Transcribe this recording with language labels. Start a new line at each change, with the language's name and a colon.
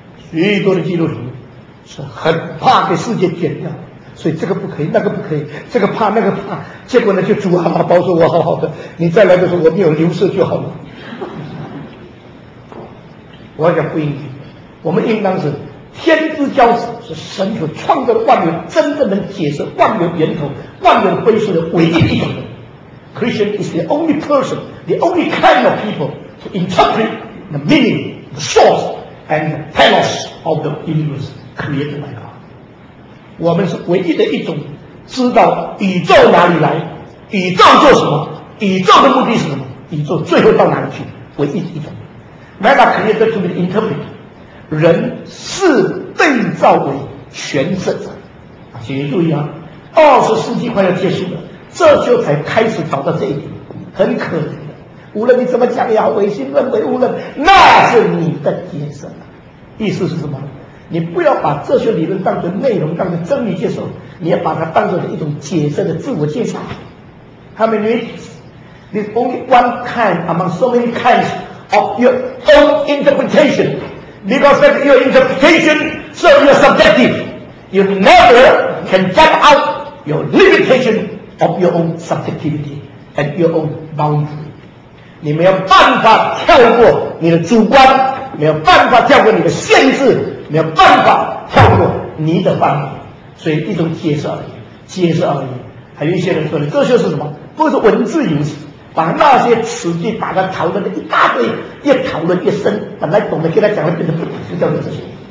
Chinese: 许多的基督徒是很怕被世界卷掉，所以这个不可以那个不可以，这个怕那个怕，结果呢就主啊保守我好好的，你再来的时候我没有留色就好了。我讲不应该，我们应当是天之骄子，是神所创造的万有，真正能解释万有源头、万有归宿的唯一一种人。
English: Christian is the only person, the only kind of people to interpret the meaning, the source, and the telos of the universe created by God.
Chinese: 我们是唯一的一种知道宇宙哪里来、宇宙做什么、宇宙的目的是什么、宇宙最后到哪里去，唯一的一种。
English: Meta created to be the interpreter.
Chinese: 人是被造为诠释者。请注意啊，二十世纪快要结束了，这就才开始找到这一点，很可怜的。无论你怎么讲也好，唯心论为无论，那是你的解释。意思是什么？你不要把这些理论当作内容，当作真理接受，你要把它当作一种解释的自我介绍。
English: How many ways? There's only one kind among so many kinds. Of your own interpretation, because that your interpretation so you're subjective, you never can get out your limitation of your own subjectivity and your own boundary.
Chinese: 你没有办法跳过你的主观，没有办法跳过你的限制，没有办法跳过你的范围。所以一种解释而已，解释而已。还有一些人说的，这就是什么？不是文字游戏。把那些词句把它讨论的一大堆，越讨论越深，本来懂得跟他讲的变得不懂，就叫做这些。